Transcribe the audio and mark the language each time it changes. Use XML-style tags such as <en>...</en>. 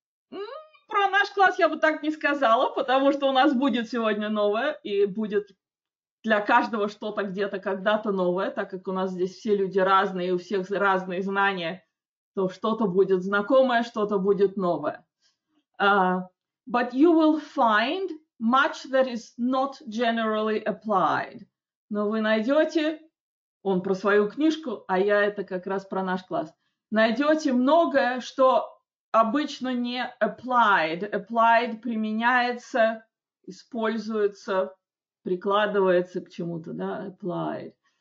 <ru>Про наш класс я бы так не сказала, потому что у нас будет сегодня новое, и будет для каждого что-то где-то когда-то новое, так как у нас здесь все люди разные, и у всех разные знания, то что-то будет знакомое, что-то будет новое.</ru> <en>But you will find much that is not generally applied.</en> <ru>Но вы найдете, он про свою книжку, а я это как раз про наш класс, найдете многое, что обычно не applied. Applied применяется, используется, прикладывается к чему-то, да, applied.</ru>